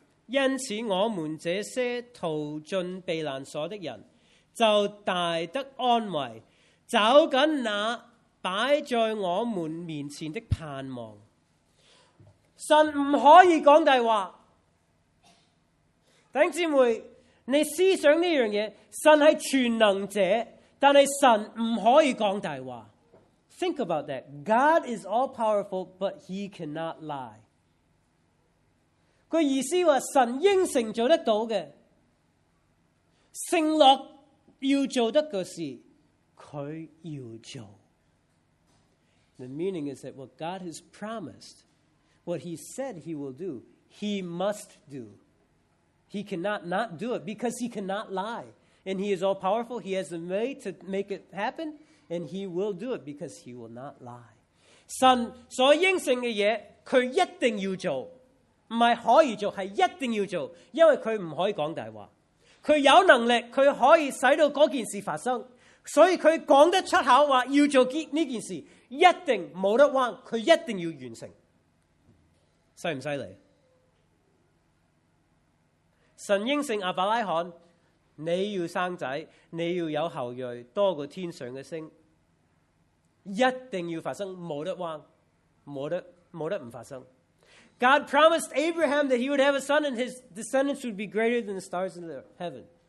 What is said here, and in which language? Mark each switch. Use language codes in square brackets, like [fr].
[zh] 因此我们这些逃进避难所的人就大得安慰，找紧那摆在我们面前的盼望。神不可以讲大话。弟兄姊妹，你思想这件事，神是全能者，但是神不可以讲大话。 [en] Think about that. God is all powerful, but He cannot lie. [zh] 他意思说神应承做得到的，承诺要做得的事，他要做。 [en] The meaning is that what God has promised, what He said He will do, He must do. He cannot not do it because He cannot lie. And He is all powerful. He has the way to make it happen. And He will do it because He will not lie. [zh] 神所应承的事祂一定要做，不是可以做，是一定要做，因为祂不可以讲大话。祂有能力，祂可以使到那件事发生，所以祂讲得出口说要做这件事，一定没得弯，祂一定要完成。犀不犀利？神应承亚伯拉罕，你要生仔，你要有后裔多过天上的星，一定要发生，没得弯，没得不发生。 [en] God promised Abraham that he would have a son and his descendants would be greater than the stars in the heaven.